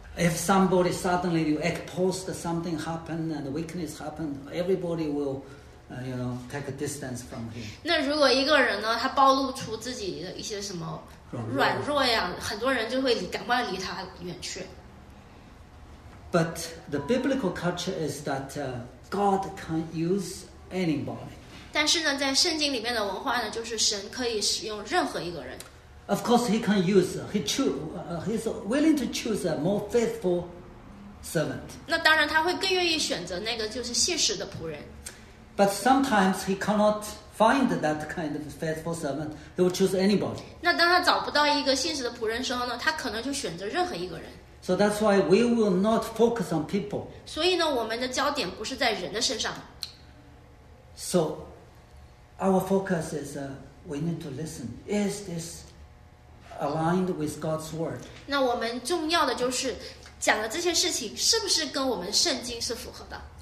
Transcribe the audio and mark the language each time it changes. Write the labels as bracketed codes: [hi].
[en] If somebody suddenly you expose something happened and weakness happened, everybody will, you know, take a distance from him. [zh] 那如果一个人呢，他暴露出自己的一些什么软弱呀，很多人就会赶快离他远去。 [en] But the biblical culture is that God can use anybody. [zh] 但是呢，在圣经里面的文化呢，就是神可以使用任何一个人。 [en] Of course, he can use. He's willing to choose a more faithful servant. [zh] 那当然，他会更愿意选择那个就是信实的仆人。 [en] But sometimes he cannot find that kind of faithful servant. He will choose anybody. [zh] 那当他找不到一个信实的仆人时候呢，他可能就选择任何一个人。 [en] So that's why we will not focus on people. [zh] 所以呢，我们的焦点不是在人的身上。 [en] So our focus is we need to listen. Is this aligned with God's word? [zh] 那我们重要的就是讲的这些事情是不是跟我们圣经是符合的？